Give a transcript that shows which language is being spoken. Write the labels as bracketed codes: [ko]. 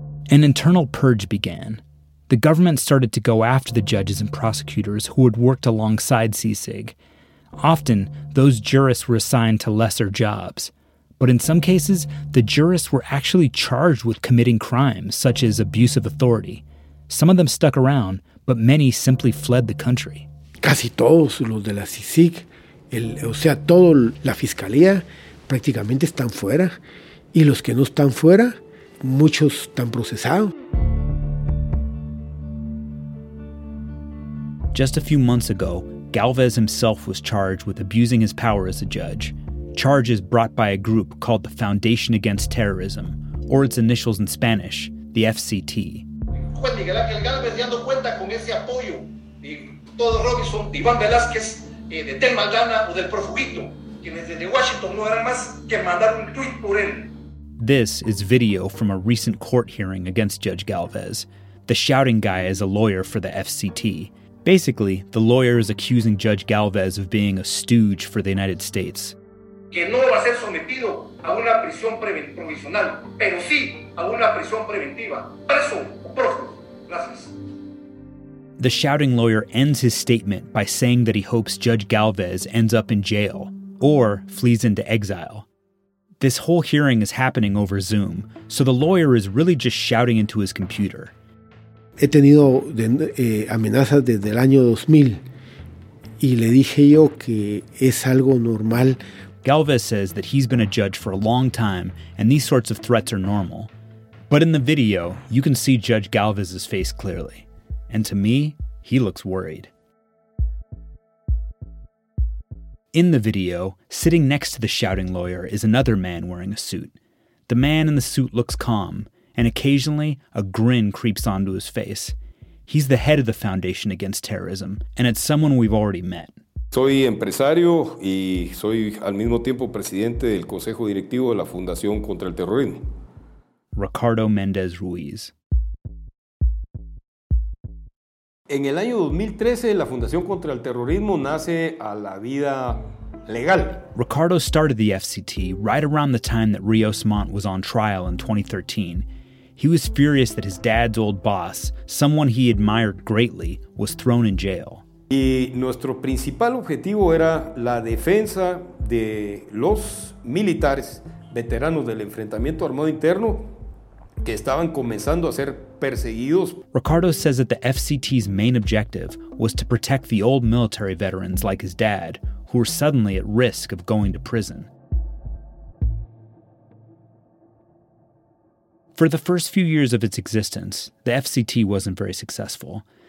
[en] An internal purge began. the government started to go after the judges and prosecutors who had worked alongside Cicig. Often, those jurists were assigned to lesser jobs. But in some cases, the jurists were actually charged with committing crimes, such as abuse of authority. Some of them stuck around, but many simply fled the country. [es] Casi todos los de la CICIG, toda la fiscalía, prácticamente están fuera. Y los que no están fuera, muchos están procesados. [en] Just a few months ago, Galvez himself was charged with abusing his power as a judge. Charges brought by a group called the Foundation Against Terrorism, or its initials in Spanish, the FCT. [es] Juan Miguel Ángel Galvez ya no cuenta con ese apoyo de todo Robinson, de Iván Velázquez, de Tel Maldana o del Profugito, quienes desde Washington no harán más que mandar un tweet por él. [en] This is video from a recent court hearing against Judge Galvez. The shouting guy is a lawyer for the FCT. Basically, the lawyer is accusing Judge Galvez of being a stooge for the United States. [es] Que no va a ser sometido a una prisión provisional, pero sí a una prisión preventiva. Preso, prófugo. Gracias. [en] The shouting lawyer ends his statement by saying that he hopes Judge Galvez ends up in jail or flees into exile. This whole hearing is happening over Zoom, so the lawyer is really just shouting into his computer. [es] He tenido amenazas desde el año 2000, y le dije yo que es algo normal. [en] Galvez says that he's been a judge for a long time, and these sorts of threats are normal. But in the video, you can see Judge Galvez's face clearly. And to me, he looks worried. In the video, sitting next to the shouting lawyer is another man wearing a suit. The man in the suit looks calm, and occasionally a grin creeps onto his face. He's the head of the Foundation Against Terrorism, and it's someone we've already met. [es] Soy empresario y soy al mismo tiempo presidente del Consejo Directivo de la Fundación contra el Terrorismo. Ricardo Méndez Ruiz. En el año 2013, la Fundación contra el Terrorismo nace a la vida legal. [en] Ricardo started the FCT right around the time that Rios Montt was on trial in 2013. He was furious that his dad's old boss, someone he admired greatly, was thrown in jail. [es] Y nuestro principal objetivo era la defensa de los militares, veteranos del enfrentamiento armado interno, que estaban comenzando a ser perseguidos. [en] Ricardo says that the FCT's main objective was to protect the old military veterans like his dad, who were suddenly at risk of going to prison. For the first few years of its existence, the FCT wasn't very successful.